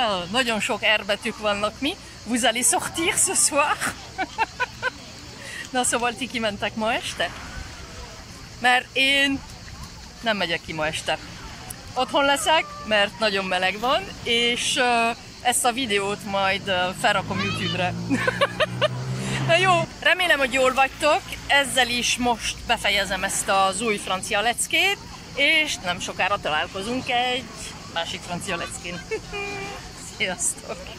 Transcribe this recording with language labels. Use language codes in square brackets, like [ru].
[hu] Nagyon sok R betűk vannak mi. [fr] Vous allez sortir ce soir? [hu] Na szóval ti kimentek ma este? Mert én nem megyek ki ma este. Otthon leszek, mert nagyon meleg van, és ezt a videót majd felrakom YouTube-re. Na jó, remélem, hogy jól vagytok. Ezzel is most befejezem ezt az új francia leckét, és nem sokára találkozunk egy másik francia leckén. Sziasztok!